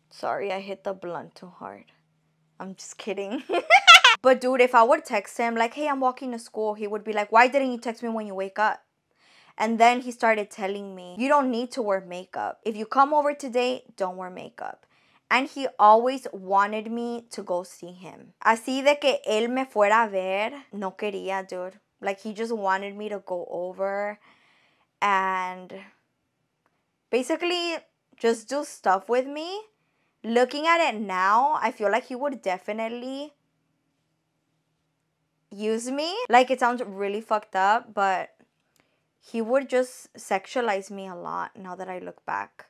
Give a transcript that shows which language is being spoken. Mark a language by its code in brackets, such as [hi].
[en] Sorry, I hit the blunt too hard. I'm just kidding. But dude, if I would text him like, hey, I'm walking to school, he would be like, why didn't you text me when you wake up? And then he started telling me, you don't need to wear makeup. If you come over today, don't wear makeup. And he always wanted me to go see him. [es] Así de que él me fuera a ver, no quería, dude. [en] Like, he just wanted me to go over and basically just do stuff with me. Looking at it now, I feel like he would definitely use me. Like, it sounds really fucked up, but he would just sexualize me a lot now that I look back.